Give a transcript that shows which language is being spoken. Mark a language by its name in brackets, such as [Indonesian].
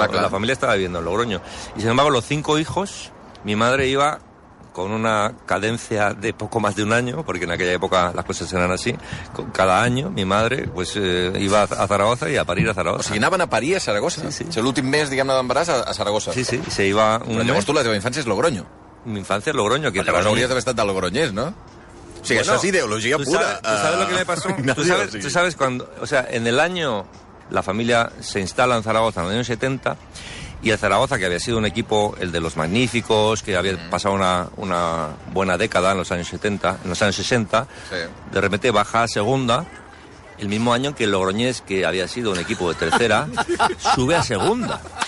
[Spanish] claro. La familia estaba viviendo en Logroño. Y sin embargo, los cinco hijos, mi madre iba... con una cadencia de poco más de un año, porque en aquella época las cosas eran así, cada año mi madre pues iba a Zaragoza y a parir a Zaragoza. [Catalan] O sigui, anaven a parir a Saragossa. Sí, sí. El últim mes, diguem-ne, d'embaràs a Saragossa. [Spanish] Sí, sí, se iba... [Catalan] Però llavors tu la teva infància és Logroño. Mi infància és Logroño. Que llavors hauries d'haver estat de Logroñés, no? O sigui, bueno, això és ideologia [Spanish] tú [Catalan] pura. [Spanish] ¿Tú sabes lo que me pasó? ¿Tú sabes cuando... O sea, en el año la familia se instala en Zaragoza, en el año 70... Y el Zaragoza, que había sido un equipo, el de los magníficos, que había pasado una buena década en los años 70, en los años 60, sí. De repente baja a segunda, el mismo año que el Logroñés, que había sido un equipo de tercera, sube a segunda.